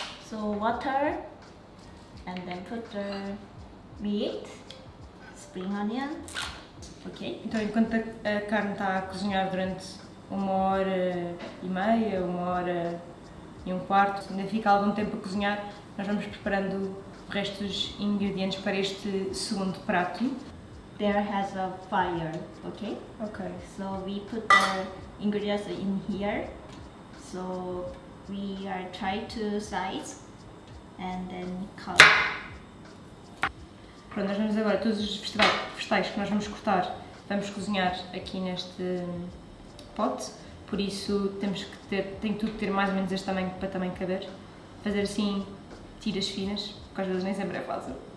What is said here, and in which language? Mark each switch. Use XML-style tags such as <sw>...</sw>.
<en>So water, and then put the meat, spring onion, okay?</en> <pt>Então enquanto a carne está a cozinhar durante 1 hora e meia, 1 hora e 1/4, ainda fica algum tempo a cozinhar, nós vamos preparando o resto dos ingredientes para este segundo prato.</pt> <en>There has a fire, okay? Okay. So we put the ingredients in here. So we are try to size and then cut.</en> <pt>Pronto, nós vamos agora todos os vegetais que nós vamos cortar, vamos cozinhar aqui neste pote. Por isso temos que ter, tem tudo que ter mais ou menos este tamanho para também caber. Fazer assim tiras finas, porque às vezes nem sempre é fácil.</pt>